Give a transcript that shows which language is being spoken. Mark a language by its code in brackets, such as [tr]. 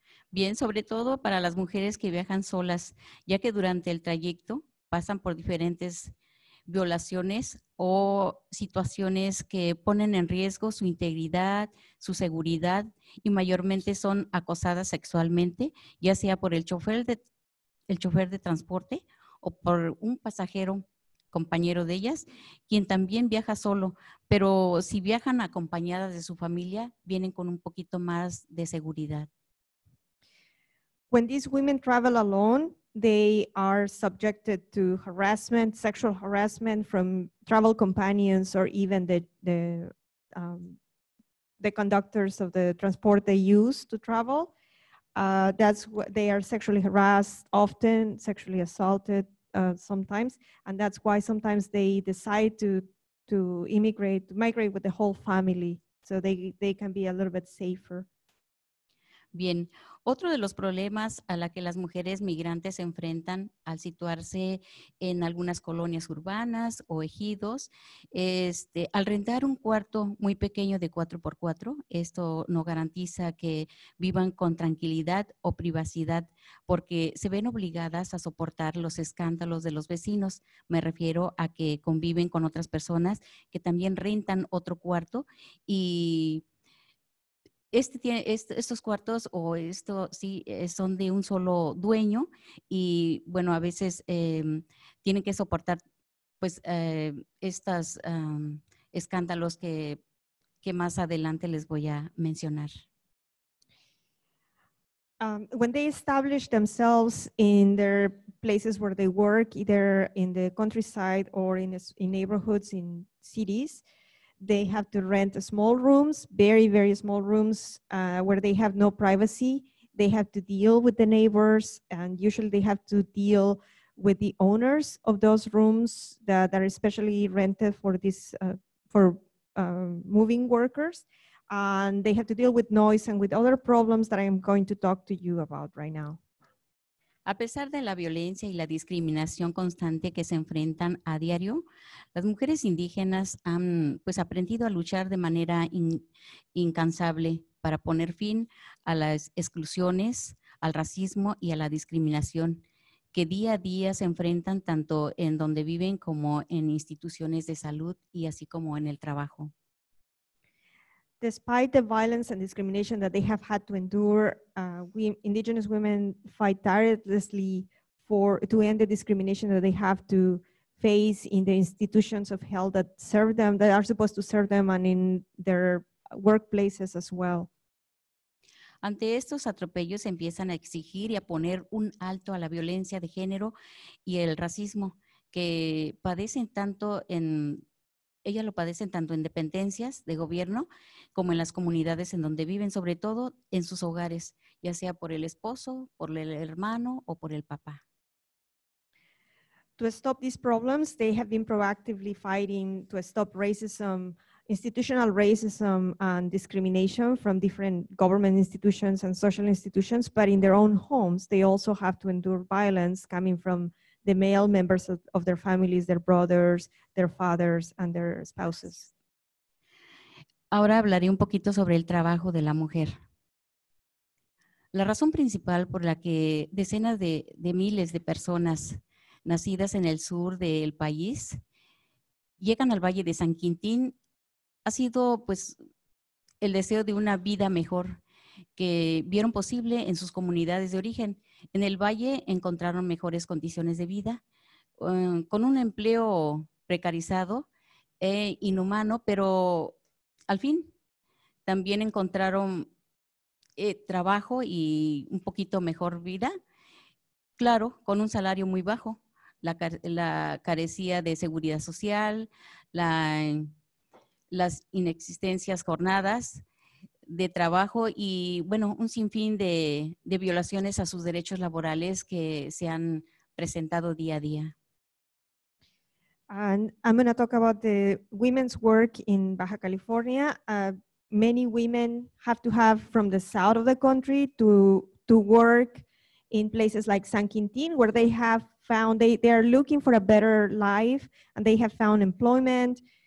[es] Bien, sobre todo para las mujeres que viajan solas, ya que durante el trayecto pasan por diferentes violaciones o situaciones que ponen en riesgo su integridad, su seguridad y mayormente son acosadas sexualmente, ya sea por el chofer de transporte o por un pasajero, compañero de ellas, quien también viaja solo, pero si viajan acompañadas de su familia, vienen con un poquito más de seguridad. [en] When these women travel alone, they are subjected to harassment, sexual harassment from travel companions or even the conductors of the transport they use to travel. They are sexually harassed often, sexually assaulted sometimes, and that's why sometimes they decide to migrate with the whole family so they can be a little bit safer. [es] Bien. Otro de los problemas a la que las mujeres migrantes se enfrentan al situarse en algunas colonias urbanas o ejidos, al rentar un cuarto muy pequeño de 4x4, esto no garantiza que vivan con tranquilidad o privacidad porque se ven obligadas a soportar los escándalos de los vecinos. Me refiero a que conviven con otras personas que también rentan otro cuarto y estos cuartos son de un solo dueño y bueno, a veces tienen que soportar pues estos escándalos que más adelante les voy a mencionar. [en] When they establish themselves in their places where they work, either in the countryside or in neighborhoods in cities, they have to rent small rooms, very, very small rooms where they have no privacy. They have to deal with the neighbors and usually they have to deal with the owners of those rooms that are especially rented for moving workers. And they have to deal with noise and with other problems that I am going to talk to you about right now. [es] A pesar de la violencia y la discriminación constante que se enfrentan a diario, las mujeres indígenas han pues aprendido a luchar de manera incansable para poner fin a las exclusiones, al racismo y a la discriminación que día a día se enfrentan tanto en donde viven como en instituciones de salud y así como en el trabajo. [en] Despite the violence and discrimination that they have had to endure, indigenous women fight tirelessly to end the discrimination that they have to face in the institutions of health that serve them, that are supposed to serve them, and in their workplaces as well. [es] Ante estos atropellos empiezan a exigir y a poner un alto a la violencia de género y el racismo que padecen tanto en, ellas lo padecen tanto en dependencias de gobierno como en las comunidades en donde viven, sobre todo en sus hogares, ya sea por el esposo, por el hermano o por el papá. [en] To stop these problems, they have been proactively fighting to stop racism, institutional racism and discrimination from different government institutions and social institutions, but in their own homes, they also have to endure violence coming from the male members of their families, their brothers, their fathers, and their spouses. [es] Ahora hablaré un poquito sobre el trabajo de la mujer. La razón principal por la que decenas de miles de personas nacidas en el sur del país llegan al Valle de San Quintín ha sido pues el deseo de una vida mejor que vieron posible en sus comunidades de origen. En el valle encontraron mejores condiciones de vida, con un empleo precarizado e inhumano, pero al fin también encontraron trabajo y un poquito mejor vida, claro, con un salario muy bajo, la carecía de seguridad social, las inexistentes jornadas de trabajo y, bueno, un sinfín de violaciones a sus derechos laborales que se han presentado día a día. [en] And I'm going to talk about the women's work in Baja California. Many women have to have from the south of the country to work in places like San Quintín, where they have found, they are looking for a better life and they have found employment.